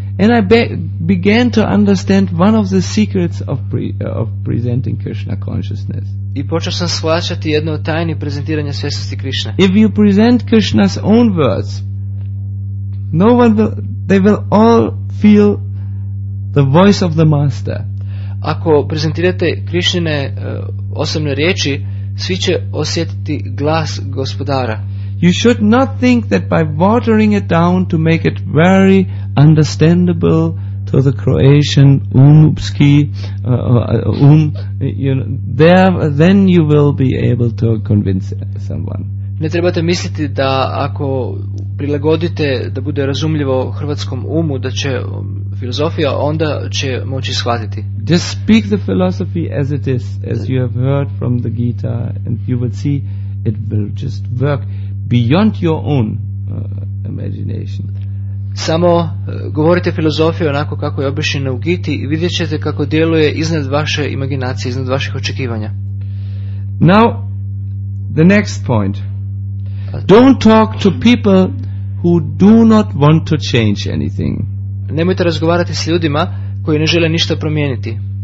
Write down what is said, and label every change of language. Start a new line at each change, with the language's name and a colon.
English: And I began to understand one of the secrets of presenting Krishna consciousness.
Croatian: I počeo sam shvaćati jednu od tajni prezentiranja svjesnosti Krishna.
English: If you present Krishna's own words, no one will, they will all feel the voice of the master.
Croatian: Ako prezentirate Krišnine osobne riječi, svi će osjetiti glas gospodara.
English: You should not think that by watering it down to make it very understandable to the Croatian umski you know, there, then you will be able to convince someone.
Croatian: Ne trebate misliti da ako prilagodite da bude razumljivo hrvatskom umu, da će filozofija, onda će moći shvatiti.
English: Just speak the philosophy as it is, as you have heard from the Gita, and you will see it will just work beyond your own imagination.
Croatian: Samo govorite filozofiju onako kako je objašnjena u Giti i vidjet ćete kako djeluje iznad vaše imaginacije, iznad vaših očekivanja.
English: Now, the next point. Don't talk to people who do not want to change anything.
Croatian: Nemojte razgovarati s ljudima koji ne žele ništa promijeniti.